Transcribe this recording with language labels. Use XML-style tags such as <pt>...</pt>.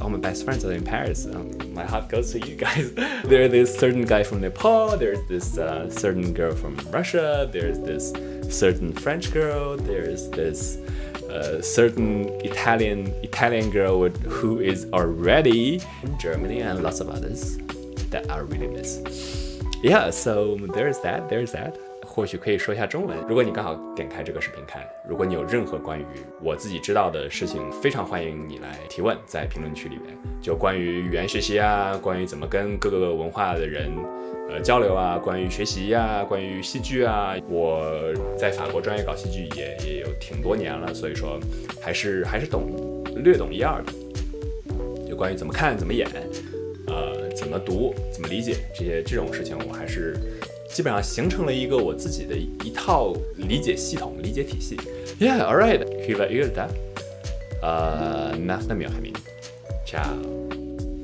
<en>All my best friends are in Paris. My heart goes to you guys. There's this certain guy from Nepal, there's this certain girl from Russia, there's this certain French girl, there's this certain Italian girl who is already in Germany, and lots of others that I really miss. Yeah, so there's that.</en> <zh>或许可以说一下中文。如果你刚好点开这个视频看， 如果你有任何关于我自己知道的事情，非常欢迎你来提问， 在评论区里面， 就关于语言学习啊， 关于怎么跟各个文化的人 交流啊， 关于学习啊， 关于戏剧啊。我在法国专业搞戏剧也有挺多年了， 所以说还是懂略懂一二的， 就关于怎么看怎么演， 怎么读， 怎么理解， 这种事情我还是 基本上形成了一个我自己的一套理解系统，理解体系。</zh> <en>Yeah, alright.</en> <fi>Hyvää yötä. Nähdään myöhemmin. Ciao.</fi>